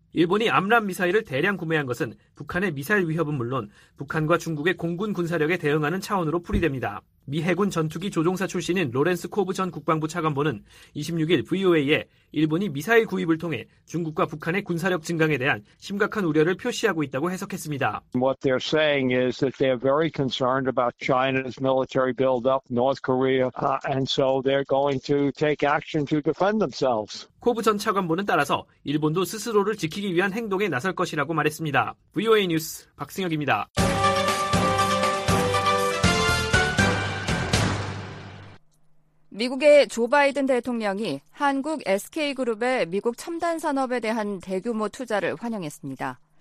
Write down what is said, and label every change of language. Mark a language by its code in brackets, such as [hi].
[ko] 일본이 암람 미사일을 대량 구매한 것은 북한의 미사일 위협은 물론 북한과 중국의 공군 군사력에 대응하는 차원으로 풀이됩니다. 미 해군 전투기 조종사 출신인 로렌스 코브 전 국방부 차관보는 26일 VOA에 일본이 미사일 구입을 통해 중국과 북한의 군사력 증강에 대한 심각한 우려를 표시하고 있다고 해석했습니다. [en] What they're saying is that they're very concerned about China's military buildup, North Korea, and so they're going to take action to defend themselves. [ko] 코브 전 차관보는 따라서 일본도 스스로를 지키기 위한 행동에 나설 것이라고 말했습니다. VOA 뉴스 박승혁입니다. 미국의 조 바이든 대통령이 한국 SK그룹의 미국 첨단 산업에 대한 대규모 투자를 환영했습니다.